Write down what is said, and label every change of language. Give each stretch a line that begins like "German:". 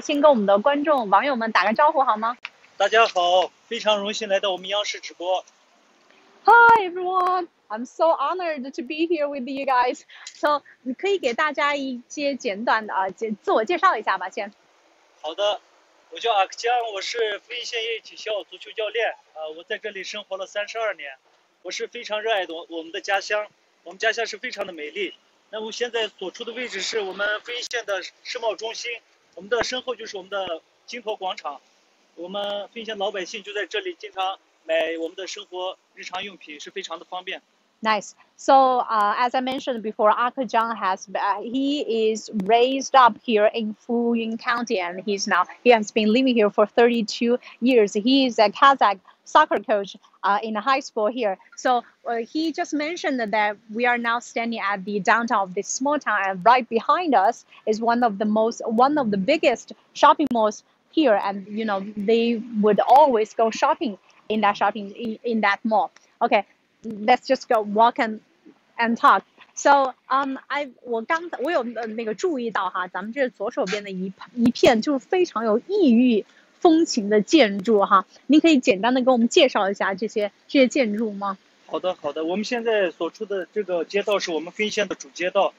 Chinese: 先跟我们的观众、网友们打个招呼好吗？大家好，非常荣幸来到我们央视直播。
English: Hi everyone, I'm so honored to be here with you guys.
Chinese: So, 你可以给大家一些简短的自我介绍一下吧，先。好的，我叫阿克江，我是福音县夜体校足球教练。我在这里生活了32年，我是非常热爱我们的家乡，我们家乡是非常的美丽。那我现在所处的位置是我们福音县的世贸中心，我们的身后就是我们的金河广场，我们福音县老百姓就在这里经常买我们的生活日常用品，是非常的方便。
English: Nice. So, as I mentioned before, Ake Jiang he is raised up here in Fuyun County, and he has been living here for 32 years. He is a Kazakh soccer coach in a high school here. So he just mentioned that we are now standing at the downtown of this small town, and right behind us is one of the biggest shopping malls here. And you know, they would always go shopping in that mall. Okay. Let's just go walk and talk.
Chinese: So, I 有那个注意到哈，咱们这左手边的一片就是非常有异域风情的建筑哈。您可以简单的给我们介绍一下这些建筑吗？好的，好的。我们现在所处的这个街道是我们分县的主街道。